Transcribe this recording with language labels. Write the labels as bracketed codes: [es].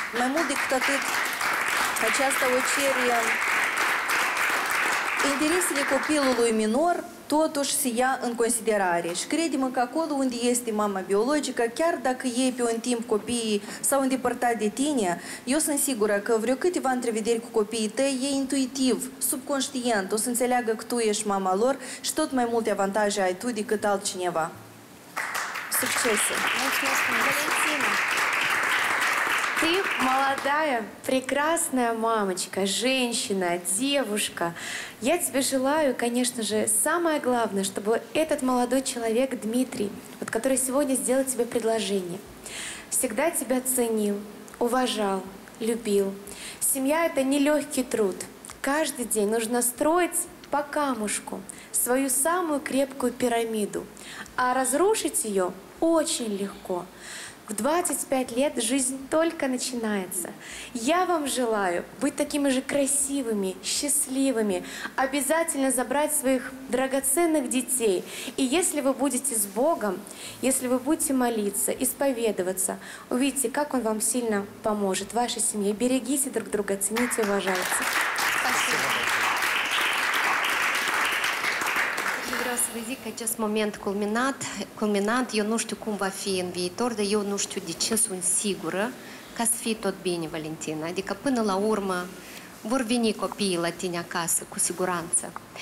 [ro] Mai mult decât atât, aceasta o cere interesele copilului minor, totuși se ia în considerare și crede-mă că acolo unde este mama biologică, chiar dacă ei pe un timp copiii s-au îndepărtat de tine, eu sunt sigură că vreo câteva întrevederi cu copiii tăi, ei intuitiv, subconștient, o să înțeleagă că tu ești mama lor și tot mai multe avantaje ai tu decât altcineva. Succese! Mulțumesc, Valentina! [ru] Ты молодая, прекрасная мамочка, женщина, девушка. Я тебе желаю, конечно же, самое главное, чтобы этот молодой человек, Дмитрий, вот который сегодня сделал тебе предложение, всегда тебя ценил, уважал, любил. Семья – это нелегкий труд. Каждый день нужно строить по камушку свою самую крепкую пирамиду. А разрушить ее очень легко. В 25 лет жизнь только начинается. Я вам желаю быть такими же красивыми, счастливыми, обязательно забрать своих драгоценных детей. И если вы будете с Богом, если вы будете молиться, исповедоваться, увидите, как Он вам сильно поможет, вашей семье. Берегите друг друга, цените, уважайте. Спасибо. [ro] Văd că acest moment culminat, eu nu știu cum va fi în viitor, dar eu nu știu de ce sunt sigură ca să fie tot bine, Valentina. Adică până la urmă vor veni copiii la tine acasă, cu siguranță.